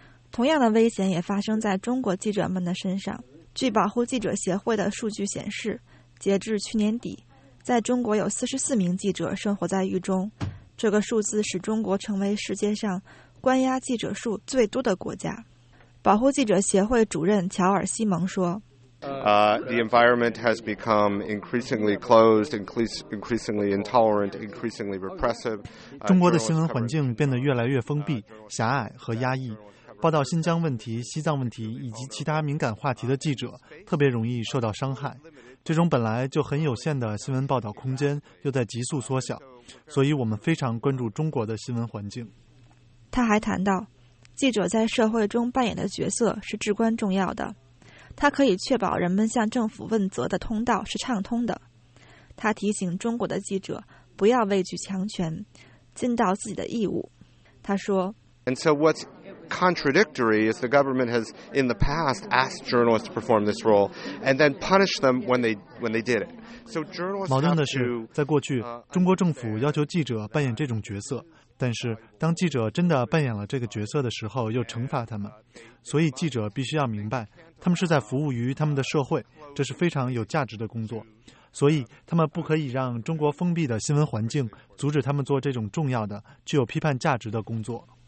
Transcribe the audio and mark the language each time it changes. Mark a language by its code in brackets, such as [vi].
[zh] 同样的危险也发生在中国记者们的身上。据保护记者协会的数据显示，截至去年底，在中国有44名记者生活在狱中，这个数字使中国成为世界上关押记者数最多的国家。保护记者协会主任乔尔·西蒙说 [en] The environment has become increasingly closed, increasingly intolerant, increasingly repressive. [zh] 中国的新闻环境变得越来越封闭、狭隘和压抑。报道新疆问题、西藏问题以及其他敏感话题的记者特别容易受到伤害。这种本来就很有限的新闻报道空间又在急速缩小。所以我们非常关注中国的新闻环境。他还谈到，记者在社会中扮演的角色是至关重要的，他可以确保人们向政府问责的通道是畅通的。他提醒中国的记者不要畏惧强权，尽到自己的义务。他说 [en] And so what's contradictory is the government has in the past asked journalists to perform this role and then punished them when they did it. [zh] 矛盾的是，在过去，中国政府要求记者扮演这种角色，但是当记者真的扮演了这个角色的时候，又惩罚他们。所以记者必须要明白，他们是在服务于他们的社会，这是非常有价值的工作。所以他们不可以让中国封闭的新闻环境阻止他们做这种重要的、具有批判价值的工作。